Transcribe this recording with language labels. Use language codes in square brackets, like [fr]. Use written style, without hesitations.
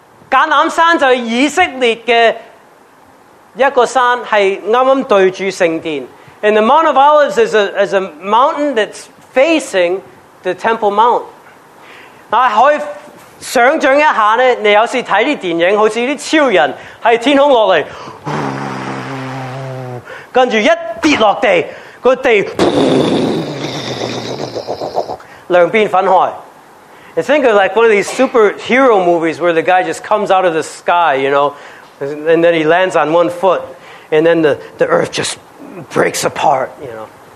[zh] 橄榄山就是以色列的一个山,是刚刚对着圣殿, [en] and the Mount of Olives is a mountain that's facing the Temple Mount. [zh] 可以想像一下,你有時看電影,好像超人,在天空下來,然後一跌落地,兩邊粉開。 [en] And think of like one of these superhero movies where the guy just comes out of the sky, you know, and then he lands on one foot, and then the earth just breaks apart, you know.